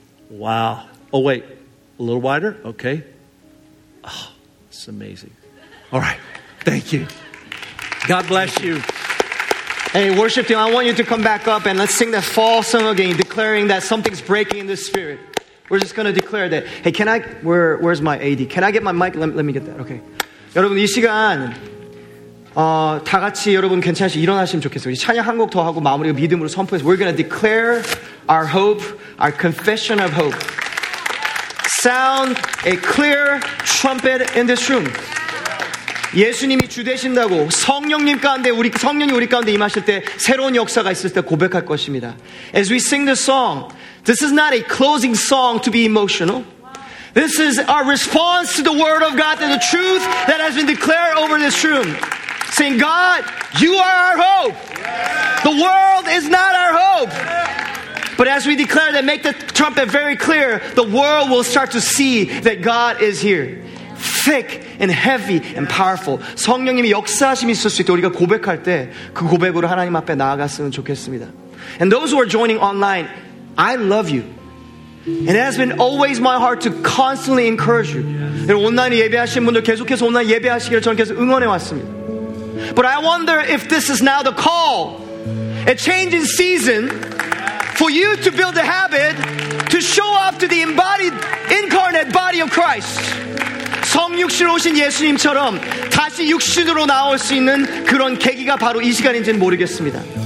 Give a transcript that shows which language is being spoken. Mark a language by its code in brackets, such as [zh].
[en] Wow. Oh, wait. A little wider? Okay. Oh, it's amazing. All right. Thank you. God bless you. Hey, worship team, I want you to come back up and let's sing that fall song again, declaring that something's breaking in the spirit. We're just going to declare that. Hey, can I, where's my AD? Can I get my mic? Let me get that. Okay. [ko] 여러분, 이 시간 다 같이 여러분 괜찮으시면 일어나시면 좋겠어요. 찬양 한 곡 더 하고 마무리로 믿음으로 선포해서 [en] we're going to declare our hope, our confession of hope. Sound a clear trumpet in this room. [ko] 예수님이 주 되신다고 성령님 가운데 우리 성령이 우리 가운데 임하실 때 새로운 역사가 있을 때 고백할 것입니다. [en] As we sing this song, this is not a closing song to be emotional. This is our response to the word of God and the truth that has been declared over this room. Saying, God, you are our hope. The world is not our hope. But as we declare that, make the trumpet very clear, the world will start to see that God is here. Thick and heavy and powerful. [ko] 성령님이 역사하심이 있을 수 있도록 우리가 고백할 때 그 고백으로 하나님 앞에 나아갔으면 좋겠습니다. [en] And those who are joining online, I love you. And it has been always my heart to constantly encourage you. [ko] 온라인 예배하신 분들 계속해서 온라인 예배하시기를 저는 계속 응원해 왔습니다. [en] But I wonder if this is now the call, a change in season, for you to build a habit to show up to the embodied, incarnate body of Christ. [ko] 성육신으로 오신 예수님처럼 다시 육신으로 나올 수 있는 그런 계기가 바로 이 시간인지는 모르겠습니다.